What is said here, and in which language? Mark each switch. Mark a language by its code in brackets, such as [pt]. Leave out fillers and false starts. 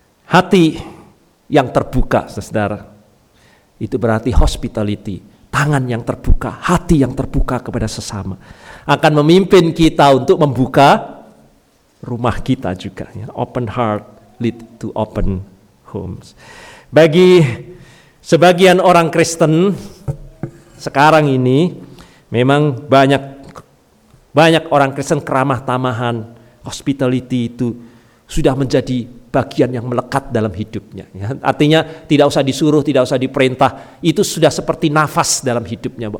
[id] Hati yang terbuka, saudara, itu berarti hospitality. Tangan yang terbuka, hati yang terbuka kepada sesama akan memimpin kita untuk membuka rumah kita juga. [en] Open heart lead to open homes. [id] Bagi sebagian orang Kristen sekarang ini memang banyak orang Kristen keramah tamahan, hospitality itu sudah menjadi bagian yang melekat dalam hidupnya. Ya, artinya tidak usah disuruh, tidak usah diperintah, itu sudah seperti nafas dalam hidupnya.